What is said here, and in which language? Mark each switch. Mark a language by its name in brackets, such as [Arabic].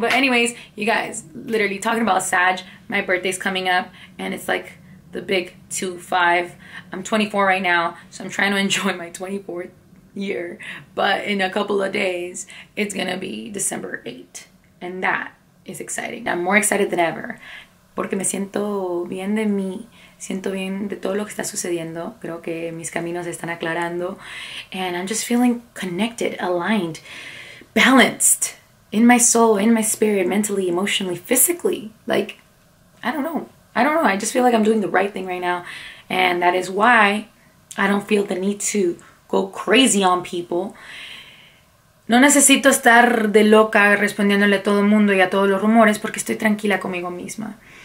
[English] But anyways, you guys, literally talking about Sag, my birthday's coming up and it's like the big 25. I'm 24 right now, so I'm trying to enjoy my 24th year, but in a couple of days it's gonna be December 8th, and that is exciting. I'm more excited than ever [Spanish] porque me siento bien de mí. Siento bien de todo lo que está sucediendo. Creo que mis caminos están aclarando, [English] and I'm just feeling connected, aligned, balanced in my soul, in my spirit, mentally, emotionally, physically. Like, I don't know. I just feel like I'm doing the right thing right now. And that is why I don't feel the need to go crazy on people. [Spanish] No necesito estar de loca respondiéndole a todo el mundo y a todos los rumores, porque estoy tranquila conmigo misma.